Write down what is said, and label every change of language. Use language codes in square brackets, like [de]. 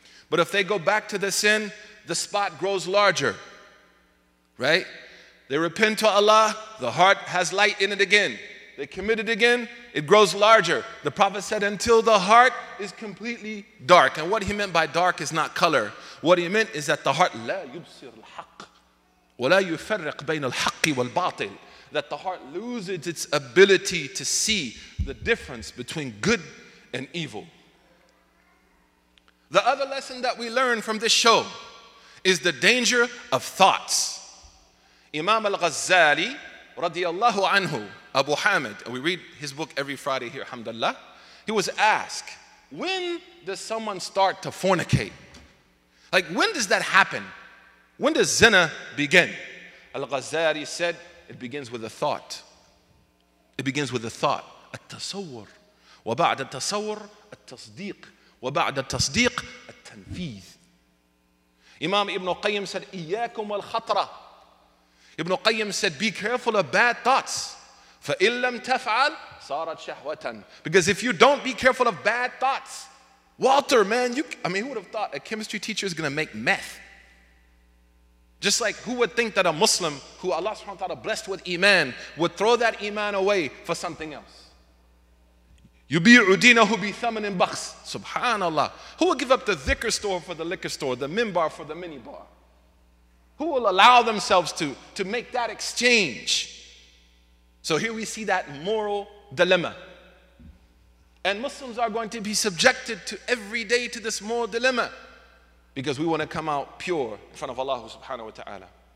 [en] But if they go back to the sin, the spot grows larger. Right? They repent to Allah, the heart has light in it again. They commit it again, it grows larger. The Prophet said, until the heart is completely dark. And what he meant by dark is not color. What he meant is that the heart, [ar] لا يبصر الحق ولا يفرق بين الحق والباطل. [en] That the heart loses its ability to see the difference between good and evil. The other lesson that we learn from this show is the danger of thoughts. Imam Al-Ghazali, radiallahu anhu, Abu Hamid, we read his book every Friday here, alhamdulillah. He was asked, when does someone start to fornicate? Like, when does that happen? When does zina begin? Al-Ghazali said, it begins with a thought. It begins with a thought. [ar] At-tasawwur. وبعد التصور التصديق وبعد التصديق التنفيذ. [en] Imam Ibn Qayyim said, [ar] إياكم والخطرة. [en] Ibn Qayyim said, be careful of bad thoughts. [ar] فإن لم تفعل صارت شهوة. [en] Because if you don't be careful of bad thoughts, Walter, man, who would have thought a chemistry teacher is going to make meth? Just like who would think that a Muslim who Allah subhanahu wa ta'ala blessed with iman would throw that iman away for something else? [ar] يُبِيعُ دِينَهُ بِثَمَنٍ بَخْسٍ Subhanallah. [en] Who will give up the dhikr store for the liquor store, the minbar for the minibar? Who will allow themselves to make that exchange? So here we see that moral dilemma. And Muslims are going to be subjected to every day to this moral dilemma because we want to come out pure in front of Allah subhanahu wa ta'ala.